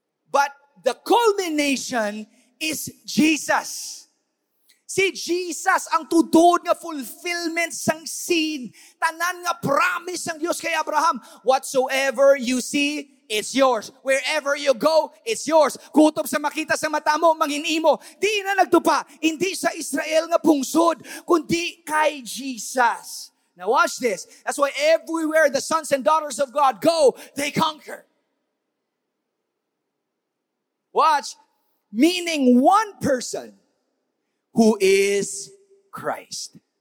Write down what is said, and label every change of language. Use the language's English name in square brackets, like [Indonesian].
[English] But the culmination is Jesus. [Hiligaynon] Si Jesus ang tutud nga fulfillment sang seed, tanan nga promise sang Dios kay Abraham. [English] Whatsoever you see, it's yours. Wherever you go, it's yours. [Hiligaynon] Kutob sa makita sa mata mo, manginimo. Di na nagtupa, hindi sa Israel nga pungsod, kundi kay Jesus. [English] Now watch this. That's why everywhere the sons and daughters of God go, they conquer. Watch. Meaning one person, who is Christ.